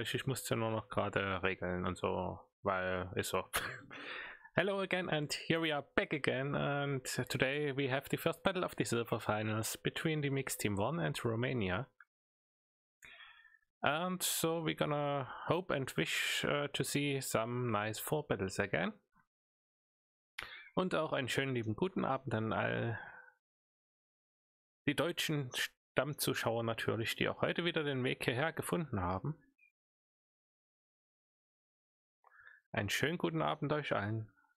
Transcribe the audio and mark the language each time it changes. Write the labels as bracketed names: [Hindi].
[German] Ich musste nur noch gerade regeln und so, weil ist so. [English] Hello again and here we are back again. And today we have the first battle of the Silver Finals between the Mixed Team 1 and Romania. And so we're gonna hope and wish to see some nice 4 battles again. [German] Und auch einen schönen lieben guten Abend an all die deutschen Stammzuschauer natürlich, die auch heute wieder den Weg hierher gefunden haben. Einen schönen guten Abend euch allen.